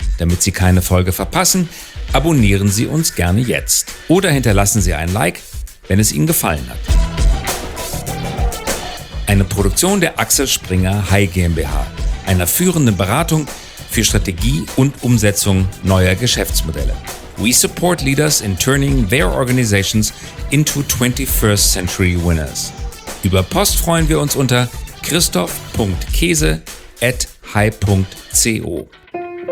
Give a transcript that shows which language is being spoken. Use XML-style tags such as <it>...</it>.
<de>Damit Sie keine Folge verpassen, abonnieren Sie uns gerne jetzt. Oder hinterlassen Sie ein Like, wenn es Ihnen gefallen hat. Eine Produktion der Axel Springer HIGH GmbH, einer führenden Beratung für Strategie und Umsetzung neuer Geschäftsmodelle.</de> <en>We support leaders in turning their organizations into 21st century winners.</en> <de>Über Post freuen wir uns unter christoph.kese@high.co.</de>